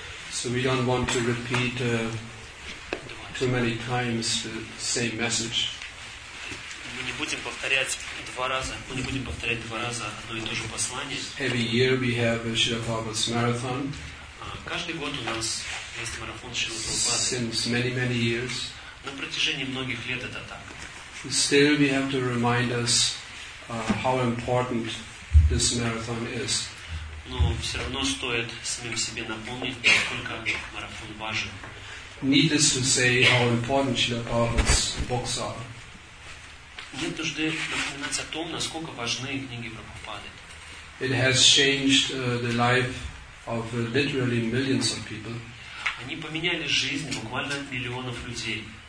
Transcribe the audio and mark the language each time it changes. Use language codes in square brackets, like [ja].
[en] So we don't want to repeat too many times the same message. [ru] Мы не будем повторять два раза. Мы не будем повторять два раза одно и то же послание. [en] Every year we have a Srila Prabhupada's marathon. [ru] Каждый год у нас есть марафон Шрилы Прабхупады. [en] Since many, many years. [ru] На протяжении многих лет это так. [en] Still we have to remind us how important this marathon is. [ru] Но все равно стоит самим себе напомнить, насколько марафон важен. [en] Needless to say how important Srila Prabhupada's books are. [ru] Нет нужды напоминать о том, насколько важны книги Прабхупады. [en] It has changed the life of literally millions of people. [ru] Они поменяли жизнь буквально миллионов людей.